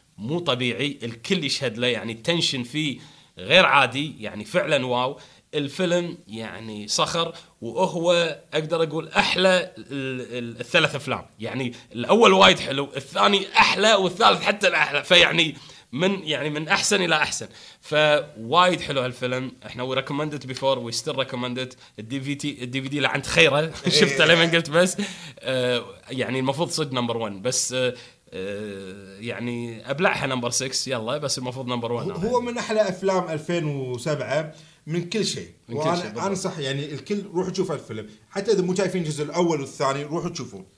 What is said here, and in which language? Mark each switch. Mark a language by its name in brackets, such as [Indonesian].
[Arabic] مو طبيعي، الكل يشهد له، يعني التنشن فيه غير عادي، يعني فعلا واو. الفيلم يعني صخر، وهو أقدر أقول أحلى الثلاث أفلام، يعني الأول وايد حلو، الثاني أحلى، والثالث حتى الأحلى، فيعني من يعني من أحسن إلى أحسن، فوايد حلو هالفيلم. إحنا [English] we recommend it before we still recommend it. [Arabic] DVD لعند خيرة شفته لما قلت بس يعني المفروض صد نمبر ون، بس يعني أبلعها نمبر سكس يلا، بس المفروض نمبر ون. هو من أحلى أفلام 2007 من كل شيء، وانا انصح يعني الكل روح تشوف الفيلم، حتى اذا مو شايفين الجزء الاول والثاني روح تشوفه،